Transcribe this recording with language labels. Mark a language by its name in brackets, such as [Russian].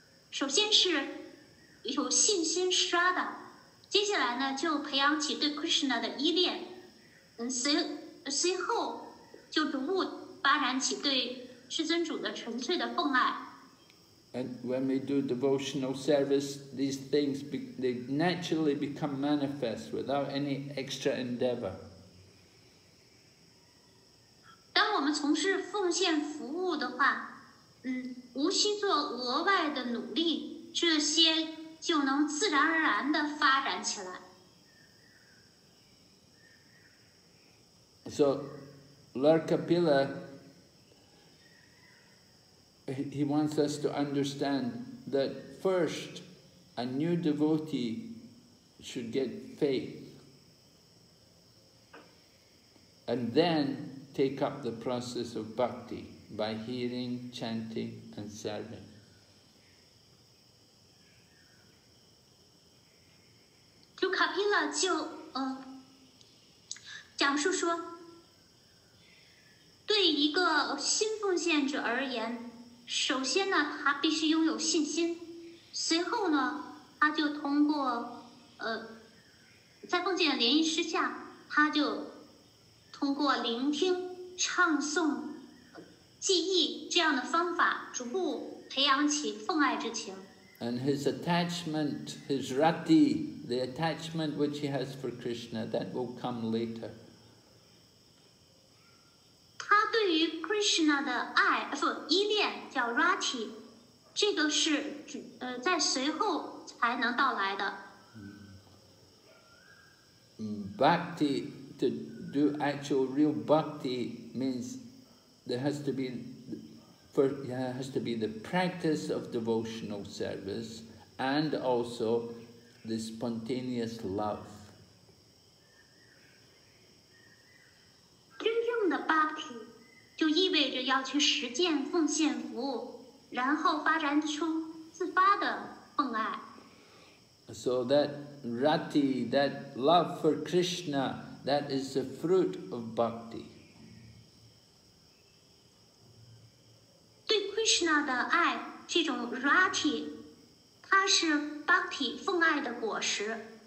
[Chinese] 首先是有信心 Shraddha， 接下来呢就培养起对 Krishna 的依恋，随后就逐步发展起对世尊主的纯粹的奉爱。 [English] And when we do devotional service, these things they naturally become manifest without any extra endeavor. [Chinese] 当我们从事奉献服务的话，无需做额外的努力，这些就能自然而然地发展起来。 [English] So, Lord Kapila, he wants us to understand that first, a new devotee should get faith, and then take up the process of bhakti by hearing, chanting, and serving. [Chinese] 就卡皮拉就讲述说，对一个新奉献者而言，首先呢，他必须拥有信心，随后呢，他就通过在奉献的联谊师下，他就通过聆听、唱诵、记忆这样的方法，逐步培养起奉爱之情。 [English] And his attachment, his rati, the attachment which he has for Krishna, that will come later. [Chinese] 他对于 Krishna 的爱，依恋叫 rati， 这个是在随后才能到来的。 [English] Bhakti, to do actual real bhakti means there has to be the practice of devotional service and also the spontaneous love. [Chinese] 真正的 bhakti 就意味着要去实践奉献服务，然后发展出自发的奉爱。 [English] So that rati, that love for Krishna, that is the fruit of bhakti. [Chinese] Krishna 的爱，这种 rati， 它是 bhakti 奉爱的果实。